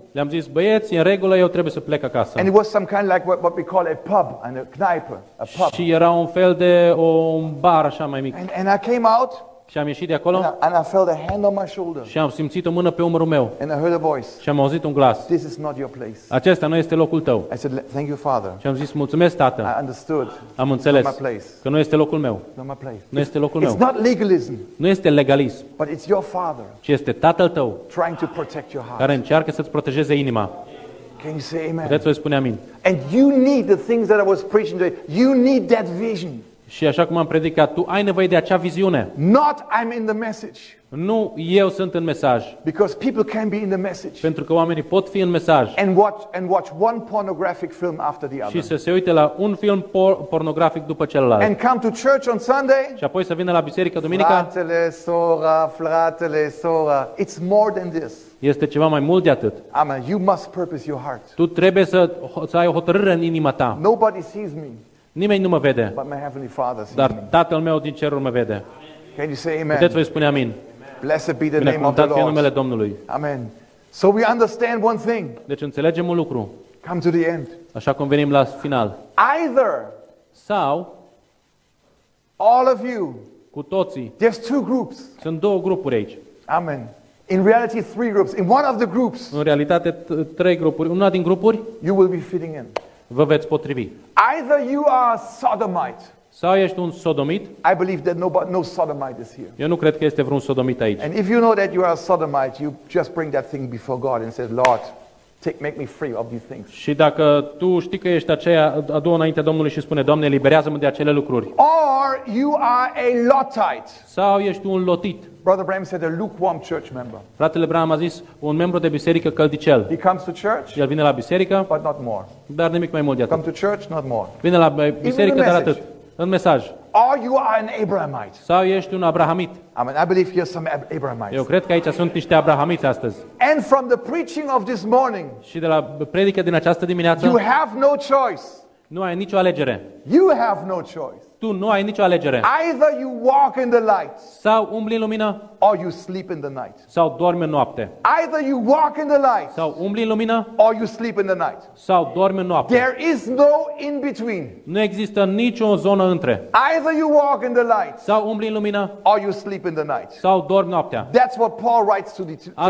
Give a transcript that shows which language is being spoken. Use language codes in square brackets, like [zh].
[ro] Le-am zis, băieți, în regulă, eu trebuie să plec acasă. [en] And it was some kind of like what we call a pub and a kneipe, a pub. [ro] Și era un fel de un bar așa mai mic. [en] And I came out. [ro] Și am ieșit de acolo. [en] And I felt a hand on my shoulder. [ro] Și am simțit o mână pe umărul meu. [en] And I heard a voice. [ro] Și am auzit un glas. [en] This is not your place. [ro] Acesta nu este locul tău. [en] I said, "Thank you, Father." [ro] Și am zis, mulțumesc, Tată. [en] I understood. [ro] Am înțeles că nu este locul meu. [en] Not my place. [ro] Nu este locul meu. [en] It's not legalism. [ro] Nu este legalism. [en] But it's your Father. [ro] Ci este Tatăl tău. [en] Trying to protect your heart. [ro] Care încearcă să-ți protejeze inima. [en] Can you say amen? [ro] Puteți să spuneți amin. [en] And you need the things that I was preaching today. You need that vision. [ro] Și așa cum am predicat, tu ai nevoie de acea viziune. [en] Not I'm in the message. [ro] Nu eu sunt în mesaj. [en] Because people can be in the message. [ro] Pentru că oamenii pot fi în mesaj. [en] And watch one pornographic film after the other. [ro] Și să se uite la un film pornografic după celălalt. [en] And come to church on Sunday. [ro] Și apoi să vină la biserică duminica. Fratele, sora, fratele, sora. [en] It's more than this. [ro] Este ceva mai mult de atât. [en] Amen. You must purpose your heart. [ro] Tu trebuie să ai o hotărâre în inima ta. [en] Nobody sees me. [ro] Nimeni nu mă vede. [en] But my heavenly Father sees [ro] dar Tatăl meu din ceruri mă vede. [en] Can you say amen? [ro] Puteți voi spune amin. [en] Blessed be the name of the Lord. [ro] Binecuvântat fie numele Domnului. [en] Amen. So we understand one thing. [ro] Deci înțelegem un lucru. [en] Come to the end. [ro] Așa cum venim la final. [en] Either [ro] sau [en] all of you. [ro] Cu toții. [en] There's two groups. [ro] Sunt două grupuri aici. [en] Amen. In reality three groups. In one of the groups. [ro] În realitate trei grupuri. Una din grupuri [en] you will be fitting in. [ro] Vă veți potrivi. [en] Either you are sodomite. [ro] Sau ești un sodomit. [en] I believe that no sodomite is here. [ro] Eu nu cred că este vreun sodomit aici. [en] And if you know that you are a sodomite, you just bring that thing before God and say, "Lord, make me free of these things." [ro] Și dacă tu știi că ești aceea, adu-o înaintea Domnului și spune, "Doamne, eliberează-mă de acele lucruri." [en] Or you are a lotite. [ro] Sau ești un lotit. [en] Brother Bram said a lukewarm church member. [ro] Fratele Bram a zis un membru de biserică căldicel. [en] He comes to church. [ro] El vine la biserică, [en] but not more. [ro] Dar nimic mai mult de atât. [en] Come to church, not more. [ro] Vine la biserică, dar atât. În mesaj. [en] Or you are an Abrahamite. [ro] Sau ești un Abrahamit. [en] I mean, I believe here some Abrahamites. [ro] Eu cred că aici sunt niște Abrahamiți astăzi. [en] And from the preaching of this morning. [ro] Și de la predica din această dimineață. [en] You have no choice. [ro] Nu ai nicio alegere. [en] You have no choice. [ro] Tu nu ai nicio alegere. [en] Either you walk in the light. [ro] Sau umbli în lumină. [en] Or you sleep in the night. [ro] Sau dormi în noapte. [en] Either you walk in the light. [ro] Sau umbli în lumină. [en] Or you sleep in the night. [ro] Sau dormi în noapte. [en] There is no in between. [ro] Nu există nicio zonă între. [en] Either you walk in the light. [ro] Sau umbli în lumină. [en] Or you sleep in the night. [ro] Sau dormi noaptea. [en] That's what Paul writes to the Thessalonians.